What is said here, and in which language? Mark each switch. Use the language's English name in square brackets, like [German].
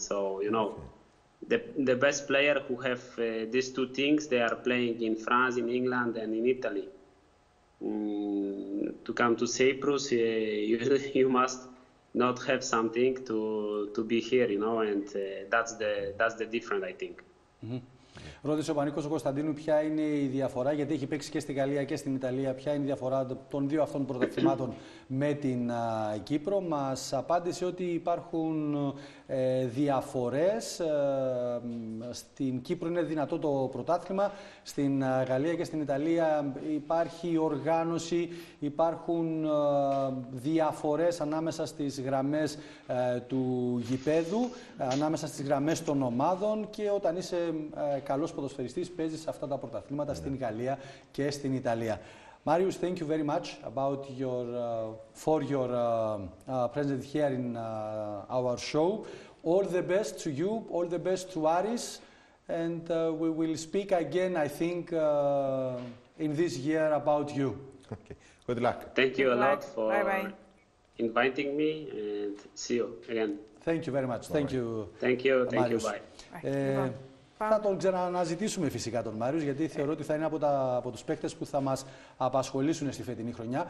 [English] So, you know, the best player who have these two things, they are playing in France, in England, and in Italy. To come to Cyprus, you must not have something to be here, you know, and that's the difference, I think. Mm-hmm. [Greek] Ρώτησε ο Πανίκος ο Κωνσταντίνου ποια είναι η διαφορά, γιατί έχει παίξει και στη Γαλλία και στην Ιταλία, ποια είναι η διαφορά των δύο αυτών πρωταθλημάτων με την Κύπρο. Μας απάντησε ότι υπάρχουν διαφορές. Στην Κύπρο είναι δυνατό το πρωτάθλημα, στην Γαλλία και στην Ιταλία υπάρχει οργάνωση, υπάρχουν διαφορές ανάμεσα στις γραμμές του γηπέδου, ανάμεσα στις γραμμές των ομάδων, και όταν είσαι καλός ποδοσφαιριστής παίζεις αυτά τα πρωταθλήματα στην Γαλλία και στην Ιταλία. [English] Marius, thank you very much about your for your presence here in our show. All the best to you, all the best to Aris, and we will speak again, I think, in this year about you. Okay. Good luck. Thank you a lot for inviting me, and see you again. Thank you very much. Bye. Thank you. Thank you. Marius. Thank you. Bye. [Greek] Θα τον ξαναζητήσουμε φυσικά τον Μάριος, γιατί θεωρώ ότι θα είναι από τους παίκτες που θα μας απασχολήσουν στη φετινή χρονιά.